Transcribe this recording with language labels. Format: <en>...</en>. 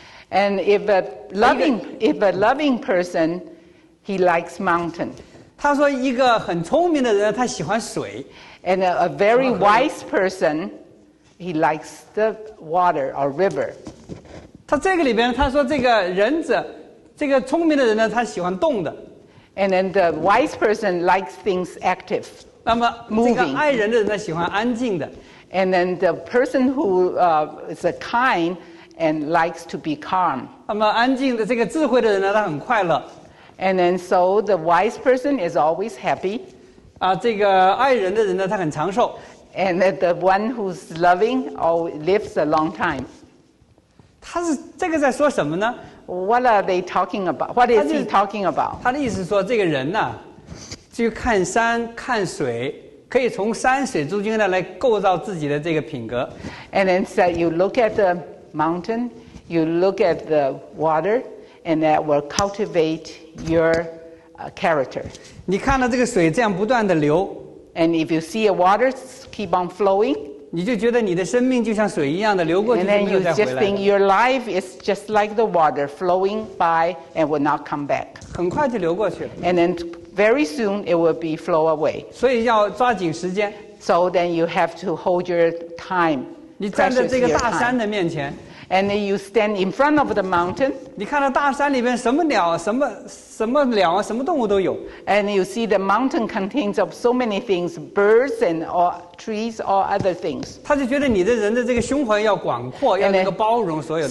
<en>And if a loving person, he likes mountain.</en> <zh>他说，一个很聪明的人，他喜欢水。</zh> <en>And a very wise person, he likes the water or river.</en> <zh>他这个里边，他说这个人者，这个聪明的人呢，他喜欢动的。</zh> <en>And then the wise person likes things active.</en> <zh>那么这个爱人的人呢，喜欢安静的。</zh> <en>And then the person who is a kind and likes to be calm.</en> <zh>那么安静的这个智慧的人呢，他很快乐。</zh> <en>And then so the wise person is always happy.</en> <zh>啊，这个爱人的人呢，他很长寿。</zh> <en>And then the one who's loving always lives a long time.</en> <zh>他是这个在说什么呢</zh> <en>？What are they talking about? What is he talking about?</en> <zh>他的意思说，这个人呢、啊，就看山、看水，可以从山水诸君来构造自己的这个品格。</zh> <en>And then so you look at the mountain, you look at the water, and that will cultivate your character.</en> <zh>你看到这个水这样不断的流。</zh> <en>And if you see a water keep on flowing,</en> <zh>你就觉得你的生命就像水一样的流过去，没有再回来。</zh> <en>And then your life is just like the water flowing by and will not come back.</en> <zh>很快就流过去了。</zh> <en>And then very soon it will be flow away.</en> <zh>所以要抓紧时间。</zh> <en>So then you have to hold your time.</en> <zh>你站在这个大山的面前。</zh> <en>And then you stand in front of the mountain.</en> <zh>你看到大山里面什么鸟、什么鸟、什么动物都有。</zh> <en>And you see the mountain contains of so many things, birds and all trees, all other things.</en> <zh>他就觉得你的人的这个胸怀要广阔，要那个包容所有的。</zh>